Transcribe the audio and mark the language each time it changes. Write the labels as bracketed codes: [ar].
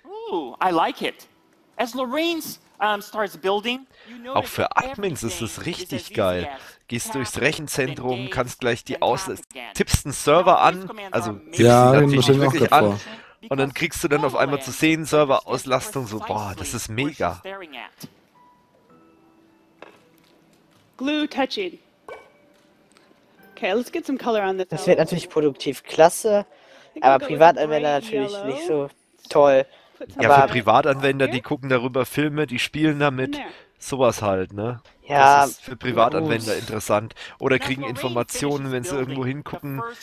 [de] Auch für Admins ist es richtig geil. Gehst durchs Rechenzentrum, kannst gleich die tippst einen Server an, also ja, tippst ihn natürlich wirklich an, und dann kriegst du dann auf einmal zu sehen, Serverauslastung, so, boah, das ist mega. [en] Glue touching. Okay, let's get some color on this. [de] Das wird natürlich produktiv klasse, aber Privatanwender natürlich nicht so toll. Ja, aber für Privatanwender, die gucken darüber Filme, die spielen damit, sowas halt, ne? Ja. Das ist für Privatanwender interessant. Oder kriegen Informationen, wenn sie irgendwo hingucken.